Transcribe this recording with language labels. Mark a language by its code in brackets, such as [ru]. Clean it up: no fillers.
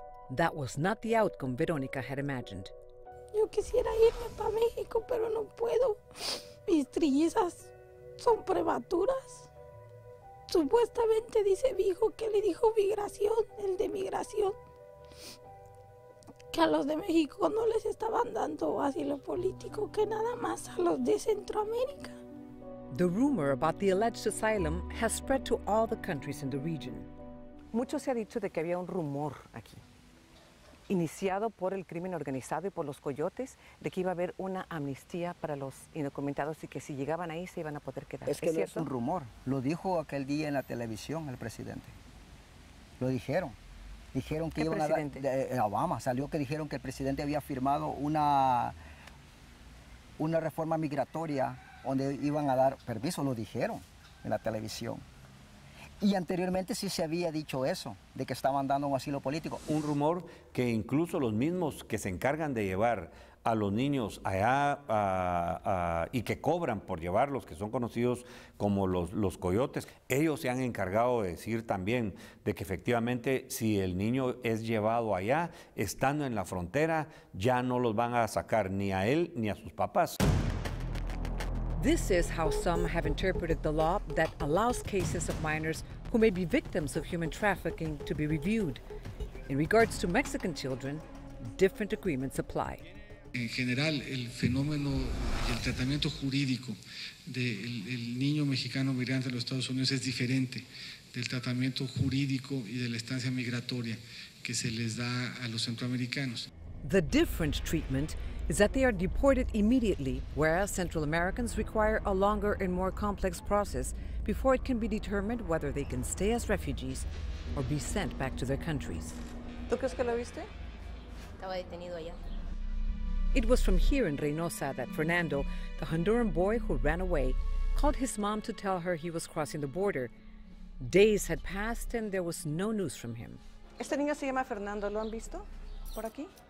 [en] That was not the outcome Veronica had imagined. [es] Yo quisiera irme pa México, pero no puedo. Mis trillizas son prematuras. Supuestamente dice mi hijo que le dijo migración, el de migración, que a los de México no les estaban dando asilo político, que nada más a los de Centroamérica. [en] The rumor about the alleged asylum has spread to all the countries in the region. [es] Mucho se ha dicho de que había un rumor aquí, iniciado por el crimen organizado y por los coyotes, de que iba a haber una amnistía para los indocumentados y que si llegaban ahí se iban a poder quedar. Es que no es un rumor. Lo dijo aquel día en la televisión el presidente. Lo dijeron. Dijeron que iban a dar. ¿Qué presidente? Obama. Salió que dijeron que el presidente había firmado una reforma migratoria donde iban a dar permiso. Lo dijeron en la televisión. Y anteriormente sí se había dicho eso, de que estaban dando un asilo político. Un rumor que incluso los mismos que se encargan de llevar a los niños allá y que cobran por llevarlos, que son conocidos como los coyotes, ellos se han encargado de decir también de que efectivamente si el niño es llevado allá, estando en la frontera, ya no los van a sacar ni a él ni a sus papás. [en] This is how some have interpreted the law that allows cases of minors who may be victims of human trafficking to be reviewed. In regards to Mexican children, different agreements apply. [es] En general, el fenómeno y el tratamiento jurídico del niño mexicano migrante a los Estados Unidos es diferente del tratamiento jurídico y de la estancia migratoria que se les da a los centroamericanos. [en] The different treatment is that they are deported immediately, whereas Central Americans require a longer and more complex process before it can be determined whether they can stay as refugees or be sent back to their countries. [es] ¿Tú crees que lo viste? Estaba detenido allá. [en] It was from here in Reynosa that Fernando, the Honduran boy who ran away, called his mom to tell her he was crossing the border. Days had passed and there was no news from him. [es] Este niño se llama Fernando, ¿lo han visto por aquí?